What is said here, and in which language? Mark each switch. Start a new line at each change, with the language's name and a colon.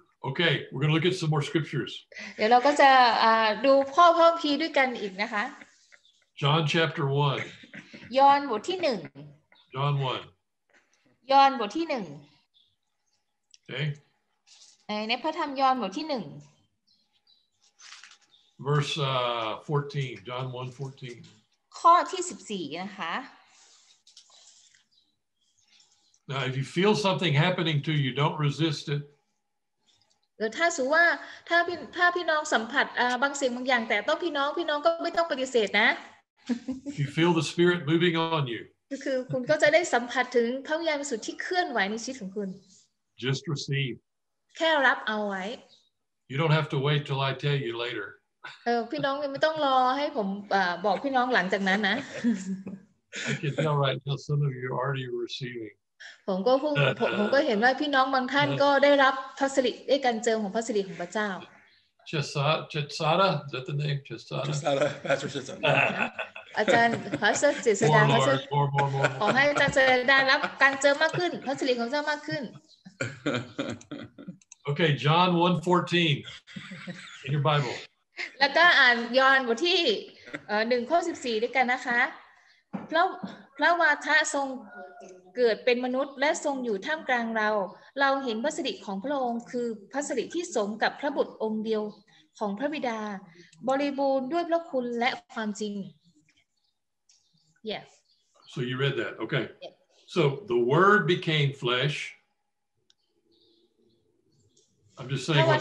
English: Okay, we're going to look at some more scriptures.
Thai: เดี๋ยวเราก็จะดูข้อพระคัมภีร์ด้วยกันอีกนะคะ
English: John chapter 1.
Thai: ยอห์นบทที่1.
English: John 1.
Thai: ยอห์นบทที่1.
English: Okay.
Thai: ในพระธรรมยอห์นบทที่1.
English: Verse 14. John 1:14.
Thai: ข้อที่14นะคะ
English: Now, if you feel something happening to you, don't resist it.
Thai: แต่ถ้าสูว่าถ้าพี่น้องสัมผัสบางสิ่งบางอย่างแต่ต้องพี่น้องก็ไม่ต้องปฏิเสธนะ
English: If you feel the spirit moving on you
Thai: คือคุณก็จะได้สัมผัสถึงพระวิญญาณบริสุทธิ์ที่เคลื่อนไหวในชีวิตของคุณ
English: Just receive
Thai: แค่รับเอาไว้
English: You don't have to wait till I tell you later
Thai: พี่น้องไม่ต้องรอให้ผมบอกพี่น้องหลังจากนั้นนะ
English: I can tell right now some of you are already receiving
Thai: ผมก็เห็นว่าพี่น้องบางท่านก็ได้รับพระสิริได้การเจิมของพระสิริของพระเจ้า
English: เจสซาดา is that the name เจสซาดา Pastor Jesus
Thai: อาจารย์ Pastor Jesus
English: more more more more
Thai: ขอให้อาจารย์เจสซาดารับการเจิมมากขึ้นพระสิริของเจ้ามากขึ้น
English: Okay John 1:14 in your Bible
Thai: แล้วก็อ่านยอห์นบทที่1ข้อ14ด้วยกันนะคะพระวาทะทรงเกิดเป็นมนุษย์และทรงอยู่ท่ามกลางเราเห็นพระสิริของพระองค์คือพระสิริที่สมกับพระบุตรองค์เดียวของพระบิดาบริบูรณ์ด้วยพระคุณและความจริง Yes
English: So you read that okay yes. So the word became flesh I'm just saying what